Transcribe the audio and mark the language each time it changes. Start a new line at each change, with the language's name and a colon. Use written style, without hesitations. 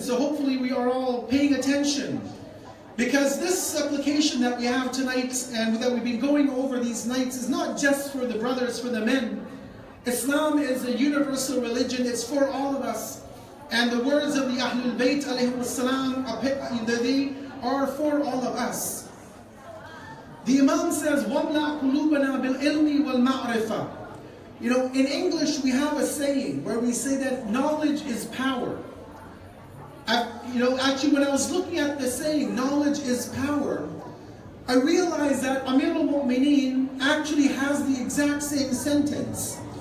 English: So hopefully we are all paying attention. Because this supplication that we have tonight and that we've been going over these nights is not just for the brothers, for the men. Islam is a universal religion, it's for all of us. And the words of the Ahlul Bayt alayhi wassalam are for all of us. The Imam says,
Arabic: وَمْلَا قُلُوبَنَا بِالْعِلْمِ وَالْمَعْرِفَةِ.
English: You know, in English we have a saying where we say that knowledge is power. Actually when I was looking at the saying, knowledge is power, I realized that Amir al-Mu'mineen actually has the exact same sentence.